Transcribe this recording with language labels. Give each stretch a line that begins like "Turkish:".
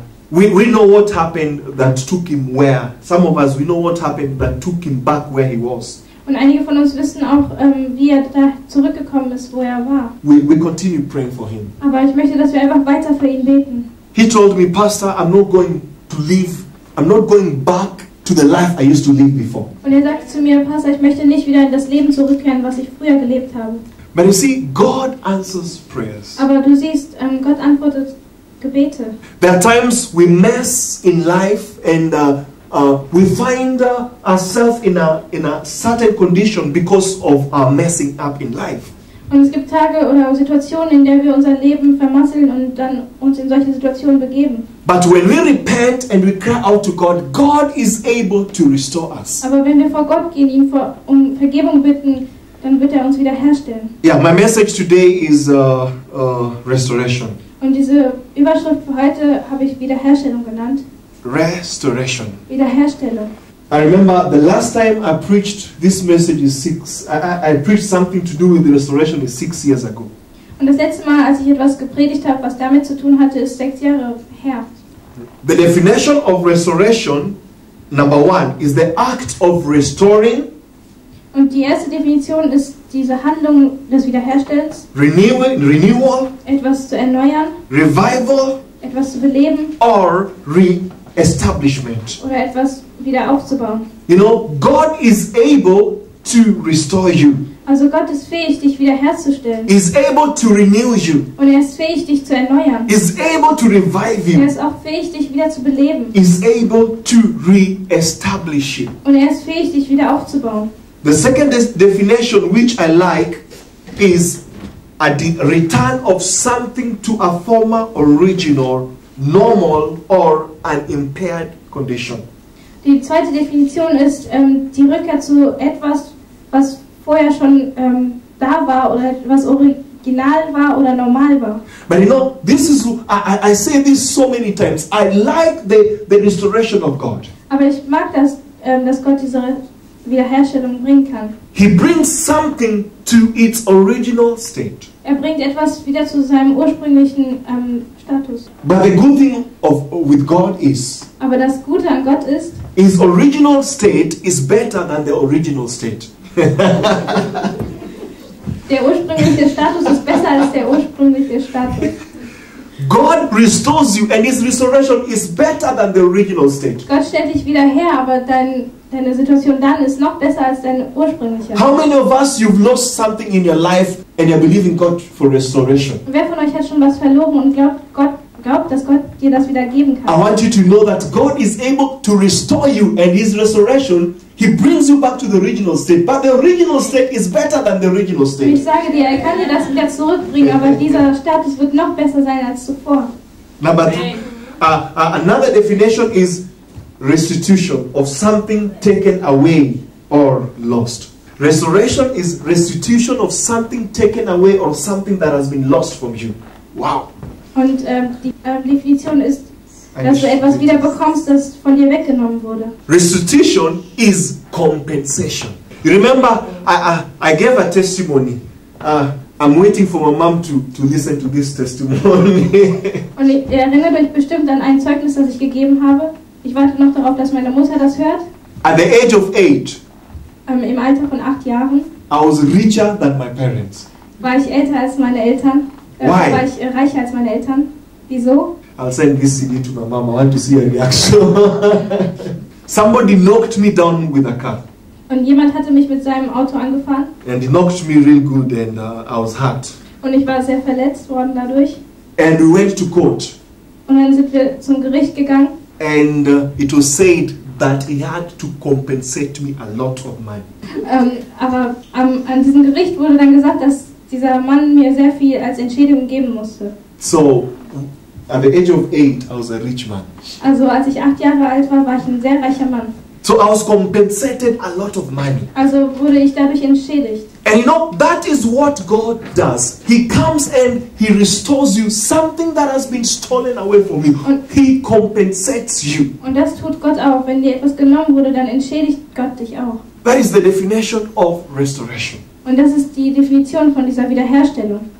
English: We know what happened that took him where. Some of us, we know what happened that took him back where he was.
German: Und einige von uns wissen auch, wie er da zurückgekommen ist, wo er war.
English: We continue praying for him.
German: Aber ich möchte, dass wir einfach weiter für ihn beten.
English: He told me, Pastor, I'm not going to live. I'm not going back to the life I used to live before.
German: Und er sagte zu mir, Pastor, ich möchte nicht wieder in das Leben zurückkehren, was ich früher gelebt habe.
English: But you see, God answers prayers.
German: Aber du siehst, Gott antwortet Gebete.
English: There are times we mess in life and we find ourselves in a certain condition because of our messing up in life.
German: Und es gibt Tage oder Situationen, in der wir unser Leben vermasseln und dann uns in solche Situationen begeben.
English: But when we repent and we cry out to God, God is able to restore us.
German: Aber wenn wir vor Gott gehen, ihm um Vergebung bitten, dann wird er uns wieder herstellen.
English: Yeah, my message today is restoration.
German: Und diese Überschrift für heute habe ich Wiederherstellung genannt.
English: Restoration.
German: Wiederherstellung.
English: I remember the last time I preached this message is six. I preached something to do with the restoration is 6 years ago.
German: Und das letzte Mal, als ich etwas gepredigt habe, was damit zu tun hatte, ist 6 Jahre her.
English: The definition of restoration, number one, is the act of restoring.
German: Und die erste Definition ist diese Handlung des Wiederherstellens.
English: Renewal.
German: Etwas zu erneuern.
English: Revival.
German: Etwas zu beleben.
English: Or re-establishment.
German: Oder etwas wieder aufzubauen.
English: You know, God is able to restore you.
German: Also Gott ist fähig, dich wiederherzustellen.
English: Is able to renew you.
German: Und er ist fähig, dich zu erneuern.
English: Is able to revive you.
German: Er ist auch fähig, dich wieder zu beleben.
English: Is able to re-establish you.
German: Und er ist fähig, dich wieder aufzubauen.
English: The second definition which I like is a return of something to a former original, normal or an impaired condition.
German: Die zweite Definition ist die Rückkehr zu etwas, was vorher schon da war oder was original war oder normal war.
English: But you know, this is I say this so many times. I like the restoration of God.
German: Aber ich mag das, dass Gott diese Wiederherstellung bringen kann.
English: He brings something to its original state.
German: Er bringt etwas wieder zu seinem ursprünglichen Status.
English: But the good thing with God is.
German: Aber das Gute an Gott ist.
English: His original state is better than the original state.
German: Der ursprüngliche Status ist besser als der ursprüngliche Status.
English: God restores you, and His restoration is better than the original state.
German: Gott stellt dich wieder her, aber deine Situation dann ist noch besser als deine ursprüngliche.
English: How many of us you've lost something in your life and you're believing God for restoration?
German: Wer von euch hat schon was verloren und glaubt, dass Gott dir das wieder geben kann?
English: I want you to know that God is able to restore you, and His restoration, He brings you back to the original state. But the original state is better than the original state.
German: Ich sage dir, er kann dir das wieder zurückbringen, aber dieser Status wird noch besser sein als zuvor.
English: Number two. Another definition is restitution of something taken away or lost. Restoration is restitution of something taken away or something that has been lost from you. Wow.
German: Und die Definition ist, dass du etwas wieder bekommst, das von dir weggenommen wurde.
English: Restitution is compensation. You remember, I gave a testimony. I'm waiting for my mom to listen to this testimony.
German: Und ich erinnere mich bestimmt an ein Zeugnis, das ich gegeben habe. Ich warte noch darauf, dass meine Mutter das hört.
English: At the age of 8.
German: Im Alter von 8 Jahren.
English: I was richer than my parents.
German: War ich älter als meine Eltern?
English: Why?
German: War ich reicher als meine Eltern? Wieso?
English: I'll send this CD to my mom. I want to see her reaction. Somebody knocked me down with a car.
German: Und jemand hatte mich mit seinem Auto angefahren.
English: And he knocked me real good, and I was hurt.
German: Und ich war sehr verletzt worden dadurch.
English: And we went to court.
German: Und dann sind wir zum Gericht gegangen.
English: And it was said that he had to compensate me a lot of money.
German: Aber an diesem Gericht wurde dann gesagt, dass dieser Mann mir sehr viel als Entschädigung geben musste.
English: So, at the age of 8, I was a rich man.
German: Also, als ich 8 Jahre alt war, war ich ein sehr reicher Mann.
English: So, I was compensated a lot of money.
German: Also wurde ich dadurch entschädigt.
English: And you know, that is what God does. He comes and He restores you something that has been stolen away from you.
German: Und
English: He compensates you.
German: Und das tut Gott auch. Wenn dir etwas genommen wurde, dann entschädigt Gott dich auch.
English: That is the definition of restoration.
German: Und das ist die Definition von dieser Wiederherstellung.